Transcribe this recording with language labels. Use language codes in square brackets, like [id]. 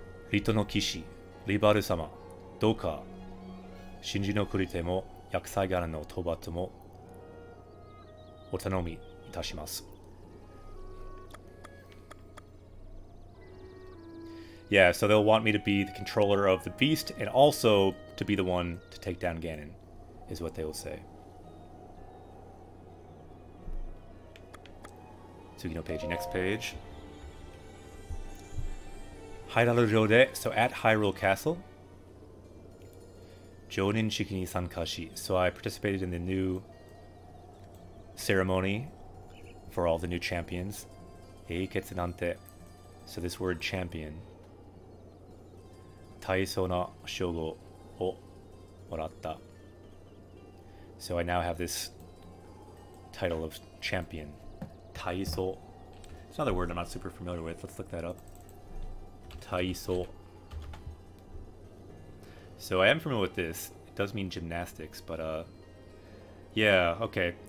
[ja] リトの騎士、リバル様、どうか神事の繰り手も厄災柄の討伐もお頼みいたします。 [en] Yeah, so they'll want me to be the controller of the beast and also to be the one to take down Ganon, is what they will say. [ja] 次のページ、 [en] next page. Hyrule 城で、so at Hyrule Castle. [ja] 承認式に参加し、 [en] so I participated in the new ceremony for all the new champions. [ja] 英傑なんて、 [en] so this word champion. [ja] 大層な称号をもらった。 [en] So I now have this title of champion. [ja] 大層。 [en] It's another word I'm not super familiar with. Let's look that up. [ja] Taiso. [en] So I am familiar with this. It does mean gymnastics, but yeah, okay.